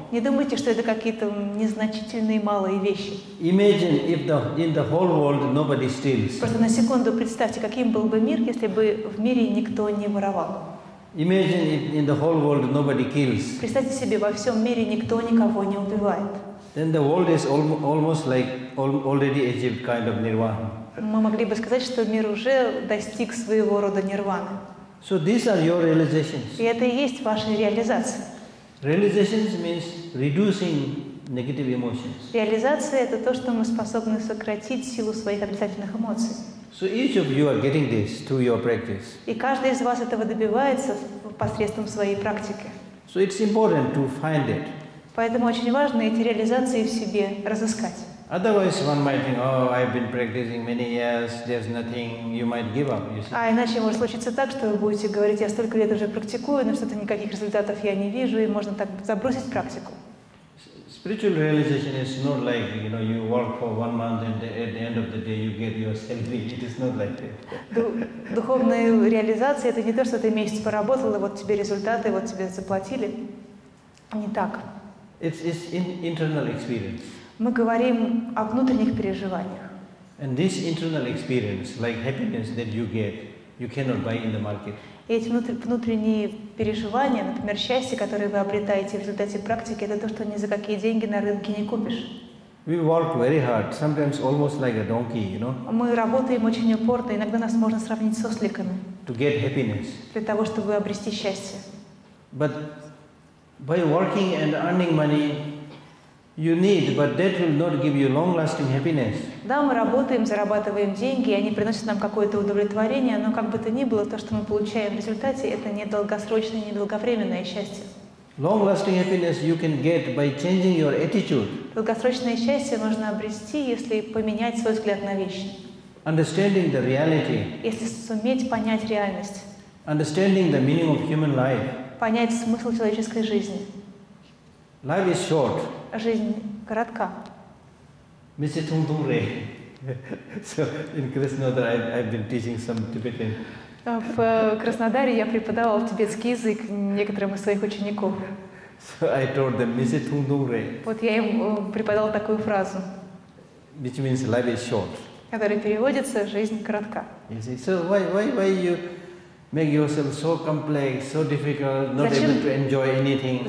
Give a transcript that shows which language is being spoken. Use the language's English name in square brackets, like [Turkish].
[Russian] Не думайте, что это какие-то незначительные малые вещи. [English] Imagine if in the whole world nobody steals. [Russian] Просто на секунду представьте, каким был бы мир, если бы в мире никто не воровал. [English] Imagine if in the whole world nobody kills. [Russian] Представьте себе, во всем мире никто никого не убивает. [English] Then the world is almost like already achieved kind of nirvana. [Russian] Мы могли бы сказать, что мир уже достиг своего рода нирваны. [English] So these are your realizations. [Russian] И это и есть ваши реализации. [English] Realizations means reducing negative emotions. [Russian] Реализация это то, что мы способны сократить силу своих отрицательных эмоций. [English] So each of you are getting this through your practice. [Russian] И каждый из вас этого добивается посредством своей практики. [English] So it's important to find it. [Russian] Поэтому очень важно эти реализации в себе разыскать. [English] Otherwise, one might think, "Oh, I've been practicing many years. There's nothing." You might give up. You see. [Russian] А иначе может случиться так, что вы будете говорить: "Я столько лет уже практикую, но что-то никаких результатов я не вижу, и можно так забросить практику." [English] Spiritual realization is not like you know you work for one month and at the end of the day you get your salary. It is not like that. [Russian] Духовная реализация это не то, что ты месяц поработал и вот тебе результаты, вот тебе заплатили. Не так. [English] It's internal experience. [Russian] Мы говорим о внутренних переживаниях. [English] And this internal experience, like happiness that you get, you cannot buy in the market. [Russian] И эти внутренние переживания, например, счастье, которое вы обретаете в результате практики, это то, что ни за какие деньги на рынке не купишь. [English] We work very hard, sometimes almost like a donkey, you know. [Russian] Мы работаем очень упорно, иногда нас можно сравнить с осликами. [English] To get happiness. [Russian] Для того, чтобы обрести счастье. [English] But by working and earning money. You need, but that will not give you long-lasting happiness. [Russian] Да, мы работаем, зарабатываем деньги, и они приносят нам какое-то удовлетворение, но как бы то ни было, то, что мы получаем в результате, это не долгосрочное, не долговременное счастье. [English] Long-lasting happiness you can get by changing your attitude. [Russian] Долгосрочное счастье можно обрести, если поменять свой взгляд на вещи. [English] Understanding the reality. [Russian] Если суметь понять реальность. [English] Understanding the meaning of human life. [Russian] Понять смысл человеческой жизни. [English] Life is short. [Russian] Жизнь коротка. [Tibetan] Месси Тундуре. [English] So in Krasnodar I've been teaching some Tibetan. [Russian] В Краснодаре я преподавал тибетский язык некоторым из своих учеников. [English] So I told them [Tibetan] Месси Тундуре. [Russian] Вот я им преподавал такую фразу. [English] Which means life is short. [Russian] Которая переводится жизнь коротка. [English] You see, so why you make yourself so complex, so difficult, not able to enjoy anything.